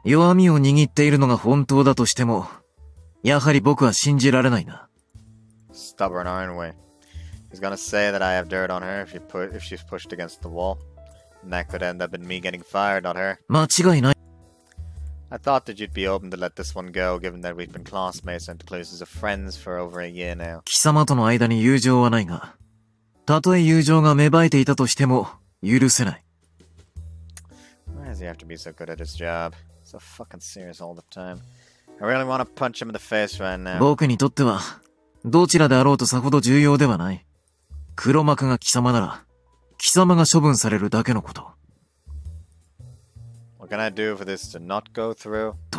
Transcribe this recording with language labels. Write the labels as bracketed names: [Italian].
[Japanese] 弱みを握っているのが本当だとしても、やはり僕は信じられないな。 [English] Stubborn, aren't we? He's gonna say that I have dirt on her if she's pushed against the wall. And that could end up in me getting fired, not her. [Japanese] 間違いない。 [English] I thought that you'd be open to let this one go, given that we've been classmates and closest of friends for over a year now. [Japanese] 貴様との間に友情はないが、たとえ友情が芽生えていたとしても、許せない。 [English] Why does he have to be so good at his job? So fucking serious all the time. I really want to punch him in the face right now. [Japanese] 僕にとっては、どちらであろうとさほど重要ではない。黒幕が貴様なら、貴様が処分されるだけのこと。 [English] What can I do for this to not go through?